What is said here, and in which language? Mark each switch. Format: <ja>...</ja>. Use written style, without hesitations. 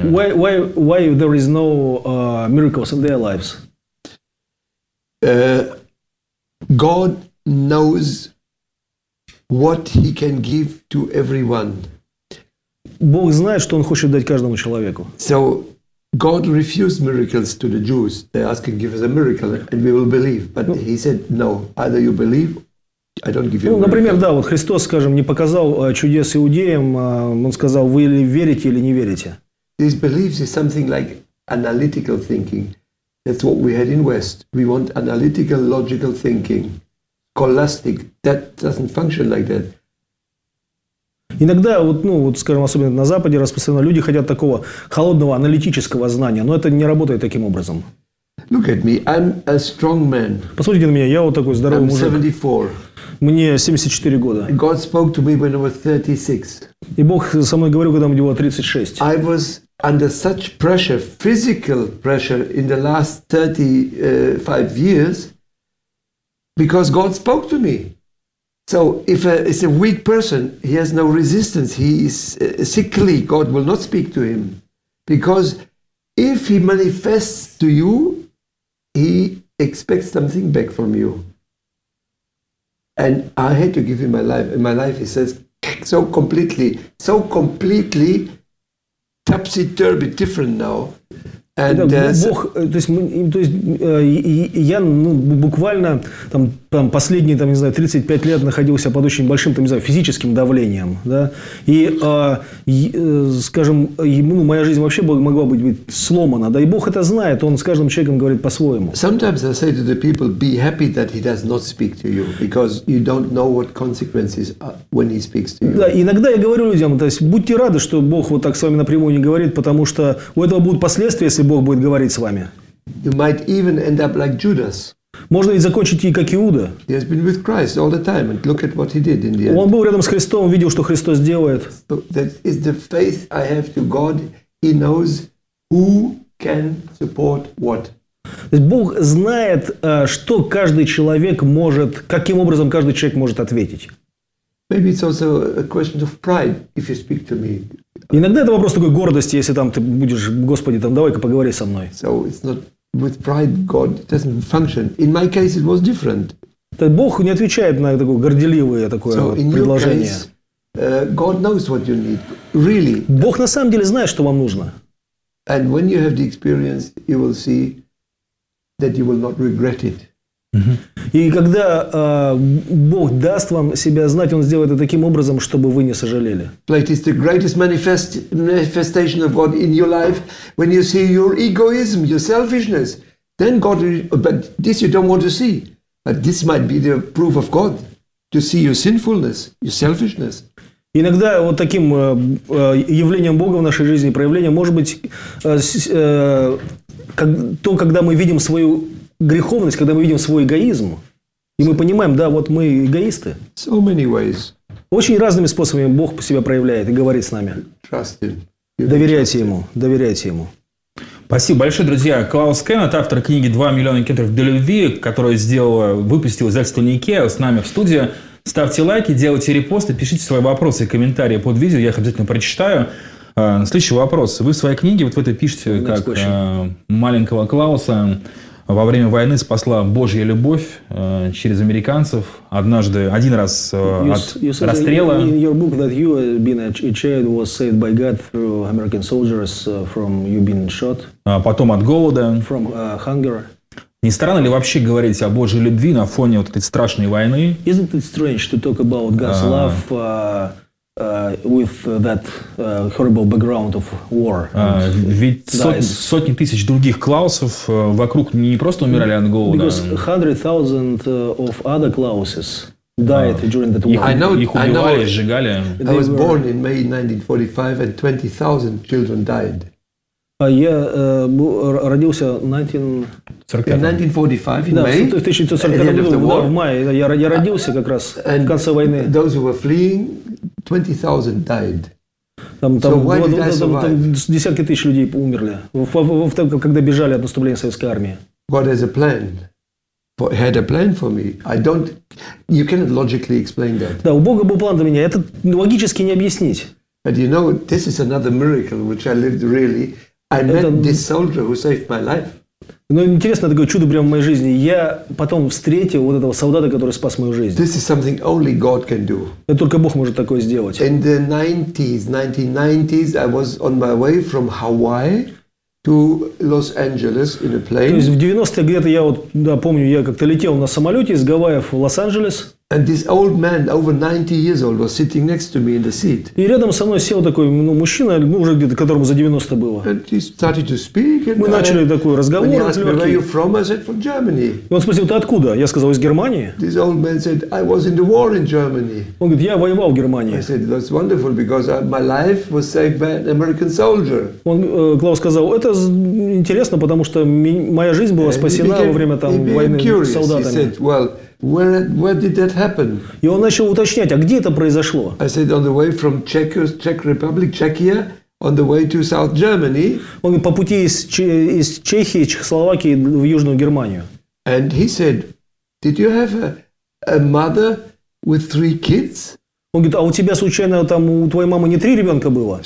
<en>Why there is no miracles in their lives? God knows what He can give to everyone.</en> <ru>Бог знает, что Он хочет дать каждому человеку.</ru> <en>So God refused miracles to the Jews. They asked Him, give us a miracle, and we will believe. But He said, no, either you believe, I don't give you a miracle.</en> <ru>Например, да, вот Христос, скажем, не показал чудес иудеям, Он сказал, вы или верите, или не верите.</ru> <en>These beliefs is something like analytical thinking. That's what we had in West. We want analytical, logical thinking. Scholastic. That doesn't function like that.</en> <ru>Иногда, вот, ну, вот, скажем, особенно на Западе распространено, люди хотят такого холодного аналитического знания, но это не работает таким образом.</ru> <en>Look at me, I'm a strong man.</en> <ru>Посмотрите на меня, я вот такой здоровый</ru> <en>I'm</en> <ru>мужик.</ru> <en>74.</en> <ru>Мне 74 года.</ru> <en>God spoke to me when I was 36.</en> <ru>И Бог со мной говорил, когда мне было 36.</ru> <en>I was under such pressure, physical pressure, in the last 35 years, because God spoke to me. So if it's a weak person, he has no resistance, he is sickly, God will not speak to him. Because if he manifests to you, he expects something back from you. And I had to give him my life. In my life, he says, so completely topsy-turvy different now.</en> <ru>Бог, то есть, я ну, буквально там последние, там, не знаю, 35 лет находился под очень большим, там, не знаю, физическим давлением, да, и, скажем, ну, моя жизнь вообще могла быть сломана, да, и Бог это знает, Он с каждым человеком говорит по-своему.</ru> <en>Sometimes I say to the people, be happy that He does not speak to you, because you don't know what consequences are when He speaks to you.</en> <ru>Да, иногда я говорю людям, то есть, будьте рады, что Бог вот так с вами напрямую не говорит, потому что у этого будут последствия, если Бог будет говорить с вами.</ru> <en>You might even end up like Judas.</en> <ru>Можно ведь закончить и как Иуда.</ru> <en>He has been with Christ all the time, and look at what he did in the end.</en> <ru>Он был рядом с Христом, видел, что Христос делает.</ru> <en>So that is the faith I have to God. He knows who can support what.</en> <ru>Бог знает, что каждый человек может, каким образом каждый человек может ответить.</ru> <en>Maybe it's also a question of pride if you speak to me.</en> <ru>Иногда это вопрос такой гордости, если там ты будешь, Господи, там давай-ка поговори со мной.</ru> <en>So it's not with pride, God doesn't function. In my case, it was different.</en> <ru>Так Бог не отвечает на такое горделивое такое предложение.</ru> <en>So in your case, God knows what you need, really.</en> <ru>Бог на самом деле знает, что вам нужно.</ru> <en>And when you have the experience, you will see that you will not regret it.</en> <ru>И когда Бог даст вам себя знать, Он сделает это таким образом, чтобы вы не сожалели.</ru> <en>Plato is the greatest manifestation of God in your life when you see your egoism, your selfishness. Then God, but this you don't want to see. But this might be the proof of God to see your sinfulness, your selfishness.</en> <ru>Иногда вот таким явлением Бога в нашей жизни проявление может быть то, когда мы видим свою греховность, когда мы видим свой эгоизм, и мы понимаем, да, вот мы эгоисты.</ru> <en>So many ways.</en> <ru>Очень разными способами Бог себя проявляет и говорит с нами.</ru> <en>Trust him.</en> <ru>Доверяйте ему, доверяйте ему. Спасибо большое, друзья. Клаус Кеннет, автор книги «2 миллиона кентров до любви», которую сделала, выпустила издательство «Никея», с нами в студии. Ставьте лайки, делайте репосты, пишите свои вопросы и комментарии под видео, я их обязательно прочитаю. Следующий вопрос. Вы в своей книге, вот в этой пишете, как маленького Клауса, во время войны спасла Божья любовь через американцев. Однажды, один раз от расстрела.</ru> <en>In your book that you been a child was saved by God through American soldiers from you being shot.</en> <ru>Потом от голода.</ru> <en>From hunger.</en> <ru>Не странно ли вообще говорить о Божьей любви на фоне вот этой страшной войны?</ru> <en>Isn't it strange to talk about God's love with that horrible background of war?</en> <ru>Ведь сотни тысяч других клаусов вокруг не просто умирали от голода.</ru> <en>Because 100,000 of other clauses died during that war.</en> <ru>Их убивали, сжигали.</ru> <en>I was born in May 1945 and 20,000 children died.</en> <ru>Я родился в 1945 году, в мае. Я родился как раз в конце войны.</ru> <en>Those who were fleeing, 20,000 died.</en> <ru>Там десятки тысяч людей умерли, когда бежали от наступления советской армии.</ru> <en>God has a plan. Had a plan for me. I don't. You cannot logically explain that.</en> <ru>Да, у Бога был план для меня. Это логически не объяснить.</ru> <en>But you know, this is another miracle which I lived really. I met this soldier who saved my life.</en> <ru>Ну, интересно, такое чудо прямо в моей жизни. Я потом встретил вот этого солдата, который спас мою жизнь.</ru> <en>This is something only God can do.</en> <ru>Это только Бог может такое сделать.</ru> <en>In the 1990s, I was on my way from Hawaii to Los Angeles in a plane.</en> <ru>То есть в 90-х где-то я вот, да, помню, я как-то летел на самолете из Гавайев в Лос-Анджелес.</ru> <en>And this old man, over 90 years old, was sitting next to me in the seat.</en> <ru>И рядом со мной сел такой, ну, мужчина, ну, уже где-то, которому за 90 было.</ru> <en>And he started to speak. And</en> <ru>мы начали такой разговор.</ru> <en>When he asked me, where are you from? I said, from Germany.</en> <ru>И он спросил, ты откуда? Я сказал, из Германии.</ru> <en>This old man said, I was in the war in Germany.</en> <ru>Он говорит, я воевал в Германии.</ru> <en>I said, that's wonderful, because my life was saved by an American soldier.</en> <ru>Он, Клаус сказал, это интересно, потому что моя жизнь была спасена во время там войны с солдатами.</ru> <en>He said, well, Where did that happen?</en> <ru>И он начал уточнять, а где это произошло?</ru> <en>I said on the way from Czech Republic, Czechia, on the way to South Germany.</en> <ru>Он по пути из Чехии, Чехословакии в Южную Германию.</ru> <en>And he said, did you have a mother with three kids?</en> <ru>Он говорит, а у тебя случайно там у твоей мамы не три ребенка было?</ru>